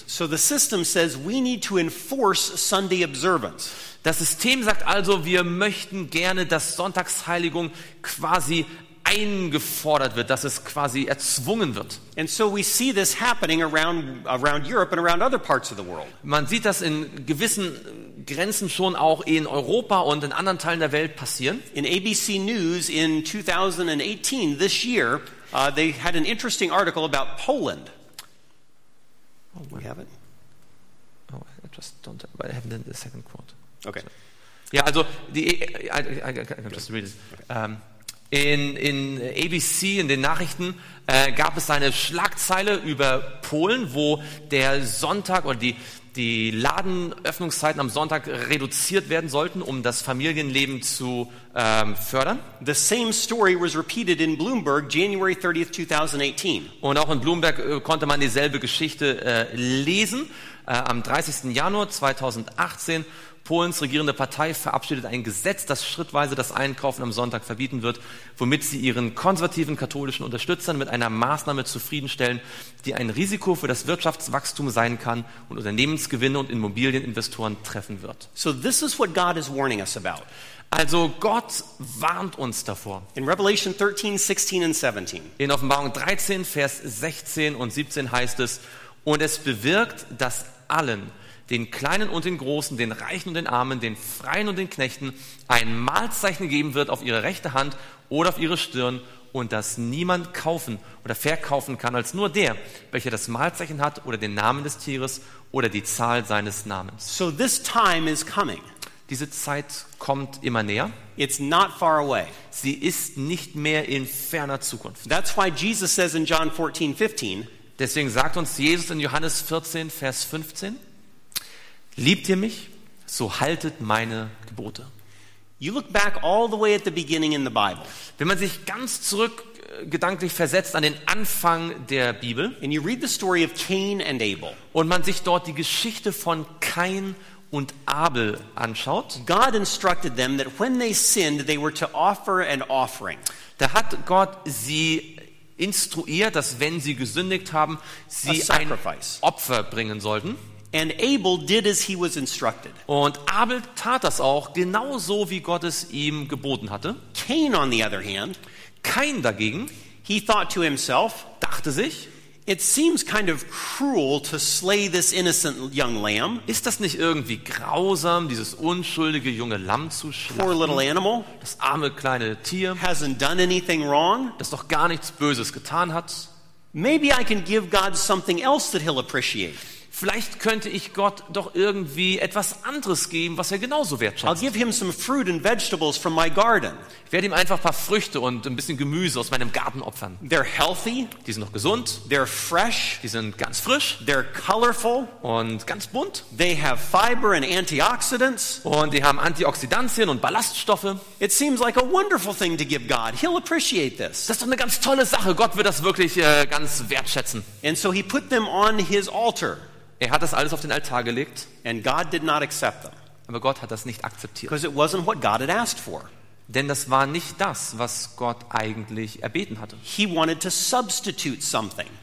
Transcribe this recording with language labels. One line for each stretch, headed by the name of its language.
English: So the system says we need to enforce Sunday observance.
German: Das System sagt also, wir möchten gerne, dass Sonntagsheiligung quasi eingefordert wird, dass es quasi erzwungen wird.
English: And so we see this happening around Europe and around other parts of the world.
German: Man sieht das in gewissen Grenzen schon auch in Europa und in anderen Teilen der Welt passieren.
English: In ABC News in 2018, this year, they had an interesting article about Poland. Oh, we have it. just don't. I haven't done the second quote. Okay. So, yeah. Also, I can just read it.
German: In ABC, in den Nachrichten, gab es eine Schlagzeile über Polen, wo der Sonntag oder die Ladenöffnungszeiten am Sonntag reduziert werden sollten, um das Familienleben zu fördern.
English: The same story was repeated in Bloomberg January 30th, 2018.
German: Und auch in Bloomberg konnte man dieselbe Geschichte lesen. Am 30. Januar 2018. Polens regierende Partei verabschiedet ein Gesetz, das schrittweise das Einkaufen am Sonntag verbieten wird, womit sie ihren konservativen katholischen Unterstützern mit einer Maßnahme zufriedenstellen, die ein Risiko für das Wirtschaftswachstum sein kann und Unternehmensgewinne und Immobilieninvestoren treffen wird.
English: So this is what God is warning us about.
German: Also Gott warnt uns davor.
English: In Revelation 13, 16 and 17.
German: In Offenbarung 13, Vers 16 und 17 heißt es, und es bewirkt, dass allen, den Kleinen und den Großen, den Reichen und den Armen, den Freien und den Knechten, ein Mahlzeichen geben wird auf ihre rechte Hand oder auf ihre Stirn und dass niemand kaufen oder verkaufen kann als nur der, welcher das Mahlzeichen hat oder den Namen des Tieres oder die Zahl seines Namens.
English: So this time is coming.
German: Diese Zeit kommt immer näher.
English: It's not far away.
German: Sie ist nicht mehr in ferner Zukunft.
English: That's why Jesus says in John 14, 15,
German: deswegen sagt uns Jesus in Johannes 14, Vers 15, liebt ihr mich, so haltet meine Gebote.
English: You look back all the way at the beginning in the Bible.
German: Wenn man sich ganz zurück gedanklich versetzt an den Anfang der Bibel,
English: and you read the story of Cain and Abel,
German: und man sich dort die Geschichte von Kain und Abel anschaut,
English: God instructed them that when they sinned, they were to offer an offering.
German: Da hat Gott sie instruiert, dass wenn sie gesündigt haben, sie ein Opfer bringen sollten.
English: And Abel did as he was instructed.
German: Und Abel tat das auch genauso, wie Gott es ihm geboten hatte.
English: Cain on the other hand,
German: Cain dagegen,
English: he thought to himself,
German: dachte sich,
English: it seems kind of cruel to slay this innocent young lamb.
German: Ist das nicht irgendwie grausam, dieses unschuldige junge Lamm zu schlachten?
English: Poor little animal,
German: das arme kleine Tier,
English: hasn't done anything wrong,
German: das doch gar nichts Böses getan hat.
English: Maybe I can give God something else that he'll appreciate.
German: Vielleicht könnte ich Gott doch irgendwie etwas anderes geben, was er genauso wertschätzt.
English: I'll give him some fruit and vegetables from my garden.
German: Ich werde ihm einfach ein paar Früchte und ein bisschen Gemüse aus meinem Garten opfern.
English: They're healthy.
German: Die sind noch gesund.
English: They're fresh.
German: Die sind ganz frisch.
English: They're colorful.
German: Und ganz bunt.
English: They have fiber and antioxidants.
German: Und die haben Antioxidantien und Ballaststoffe.
English: It seems like a wonderful thing to give God. He'll appreciate this.
German: Das ist doch eine ganz tolle Sache. Gott wird das wirklich ganz wertschätzen.
English: And so he put them on his altar.
German: Er hat das alles auf den Altar gelegt.
English: And God did not accept them.
German: Aber Gott hat das nicht akzeptiert.
English: Because it wasn't what God had asked for.
German: Denn das war nicht das, was Gott eigentlich erbeten hatte.
English: He wanted to substitute something.